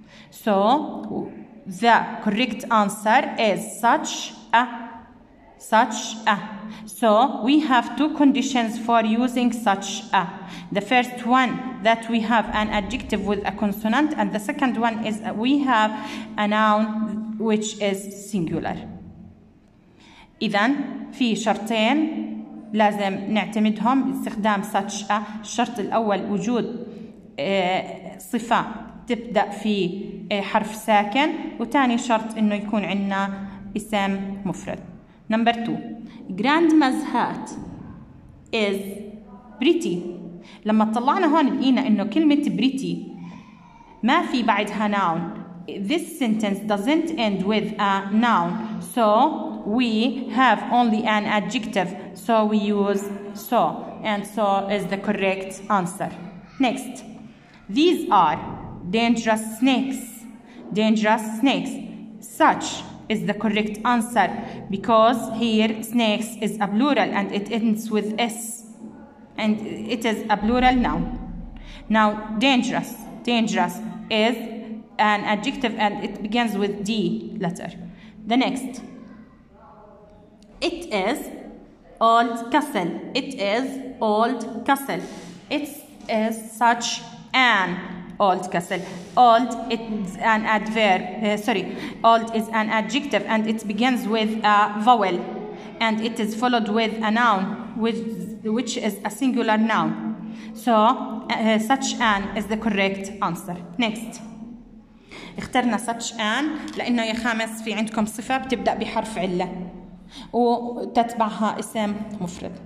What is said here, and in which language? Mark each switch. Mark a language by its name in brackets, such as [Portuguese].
[English] So the correct answer is such a, such a. So we have two conditions for using such a. The first one that we have an adjective with a consonant, and the second one is we have a noun which is singular. [Arabic] إذن في شرطين لازم نعتمدهم باستخدام such a. الشرط الأول وجود صفة تبدأ في حرف ساكن، وتاني شرط إنه يكون عندنا اسم مفرد. [English] Number two, grandma's hat is pretty. [Arabic] لما طلعنا هون لقينا إنه كلمة pretty ما في بعدها noun. [English] This sentence doesn't end with a noun, so we have only an adjective, so we use so, and so is the correct answer. Next, these are dangerous snakes. Dangerous snakes. Such is the correct answer because here snakes is a plural and it ends with s, and it is a plural noun. Now, dangerous. Dangerous is an adjective and it begins with D letter. The next, it is old castle. It is old castle. It is such an old castle. Old is an adverb. Old is an adjective and it begins with a vowel and it is followed with a noun which is a singular noun. So such an is the correct answer. Next, [Arabic] اخترنا such an لأنه يا خامس في عندكم صفة بتبدأ بحرف علة وتتبعها اسم مفرد.